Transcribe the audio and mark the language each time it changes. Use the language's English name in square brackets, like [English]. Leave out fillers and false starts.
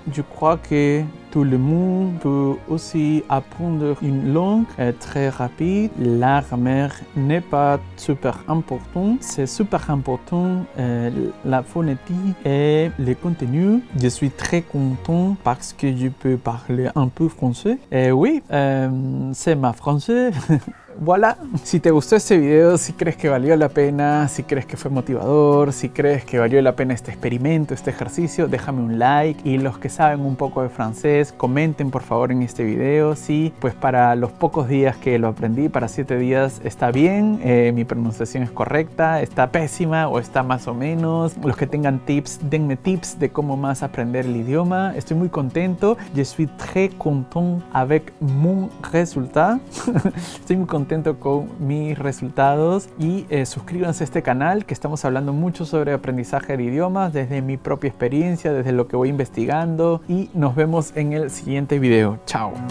[French] Je crois que tout le monde peut aussi apprendre une langue très rapide. La grammaire n'est pas super important. C'est super important la phonétique et le contenu. Je suis très content parce que je peux parler un peu français. Et oui, c'est ma français. Voilà. [Spanish] Si te gustó este video, si crees que valió la pena, si crees que fue motivador, si crees que valió la pena este experimento, este ejercicio, déjame un like. Y los que saben un poco de francés, comenten por favor en este video. Sí, pues para los pocos días que lo aprendí, para 7 días está bien, mi pronunciación es correcta, está pésima o está más o menos. Los que tengan tips, denme tips de cómo más aprender el idioma. Estoy muy contento. [French] Je suis très content avec mon résultat. [Spanish] Estoy muy contento con mis resultados y suscríbanse a este canal, que estamos hablando mucho sobre aprendizaje de idiomas desde mi propia experiencia, desde lo que voy investigando, y nos vemos en el siguiente video. Chao.